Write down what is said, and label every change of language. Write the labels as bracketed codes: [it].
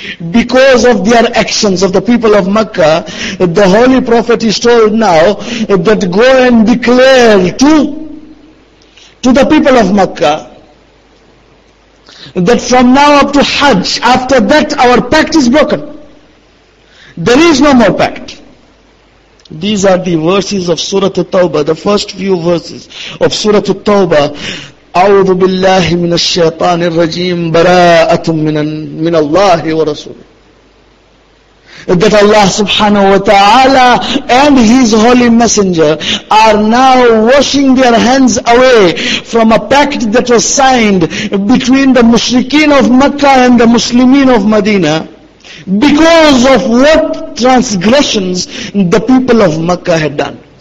[en] Because of their actions of the people of Makkah, the Holy Prophet is told now that go and declare to the people of Makkah that from now up to Hajj, after that our pact is broken. There is no more pact. These are the verses of Surah At-Tawbah, the first few verses of Surah At-Tawbah. [ar] أعوذ بالله من الشيطان الرجيم براءة من الله ورسوله. [en] That Allah subhanahu wa ta'ala and His Holy Messenger are now washing their hands away from a pact that was signed between the mushrikeen of Makkah and the muslimin of Medina, because of what transgressions the people of Makkah had done.